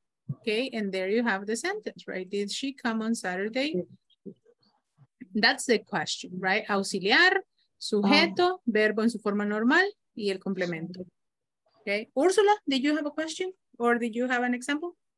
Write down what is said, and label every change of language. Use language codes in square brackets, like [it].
[en] Okay, and there you have the sentence, right? Did she come on Saturday? That's the question, right? Auxiliar, [es] sujeto, verbo en su forma normal y el complemento. [en] Okay. Úrsula, did you have a question or did you have an example?